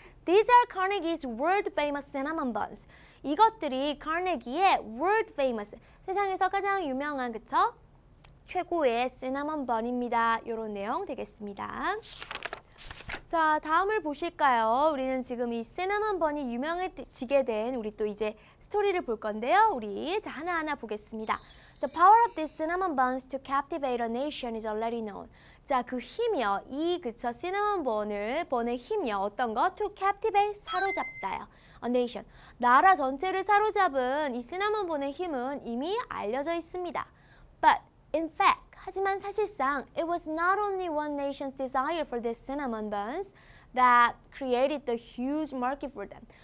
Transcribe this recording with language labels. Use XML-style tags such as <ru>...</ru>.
<en>These are Carnegie's world famous cinnamon buns.</en> <ko>이것들이 Carnegie의</ko> <en>world famous,</en> <ko>세상에서 가장 유명한, 그쵸? 최고의 cinnamon bun입니다. 이런 내용 되겠습니다. 자, 다음을 보실까요? 우리는 지금 이 cinnamon bun이 유명해지게 된 우리 또 이제 스토리를 볼 건데요. 우리 자, 하나하나 보겠습니다.</ko> <en>The power of these cinnamon buns to captivate a nation is already known.</en> <ko>자, 그 힘이요. 이, 그쵸, 시나몬 번을, 번의 힘이요. 어떤 거?</ko> <en>To captivate,</en> <ko>사로잡다요.</ko> <en>A nation.</en> <ko>나라 전체를 사로잡은 이 시나몬 번의 힘은 이미 알려져 있습니다.</ko> <en>But, in fact,</en> <ko>하지만 사실상,</ko> <en>it was not only one nation's desire for these cinnamon buns that created the huge market for them.</en>